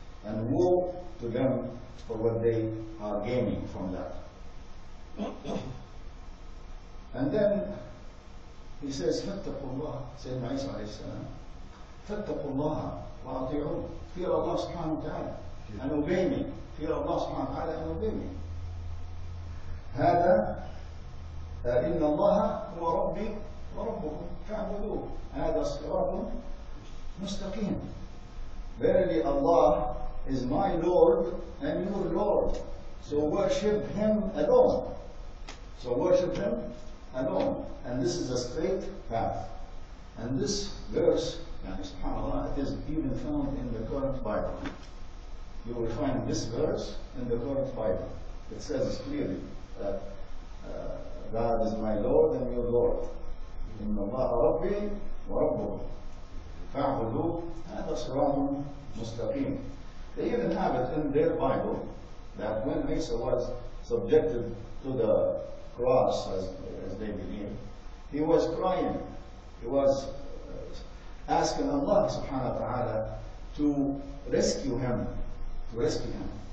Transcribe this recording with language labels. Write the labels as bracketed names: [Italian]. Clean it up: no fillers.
[English] And woe to them for what they are gaining from that. And then he says, [Arabic] فَاتَّقُوا اللَّهَ سَيْدْنَا عِيسَى عَلَيْهِ السَّلَامِ فَاتَّقُوا اللَّهَ وَأَطِعُونَ [English] Fear Allah subhanahu wa ta'ala and obey me. Fear Allah subhanahu wa ta'ala and obey me. [Arabic] هذا إن الله هو ربي وربكم فاعبدوه هذا صراط مستقيم. [English] Verily Allah is my Lord and your Lord. So worship Him alone. So worship Him alone. And this is a straight path. And this verse, [Arabic] يعني سبحان الله, [English] it is even found in the current Bible. You will find this verse in the current Bible. It says clearly that God is my Lord and your Lord. [Arabic] إن الله ربي وربكم فاعبدوه هذا صراط مستقيم. [English] They even have it in their Bible that when Isa was subjected to the cross, as they believe, he was crying. He was asking Allah subhanahu wa ta'ala to rescue him, to rescue him.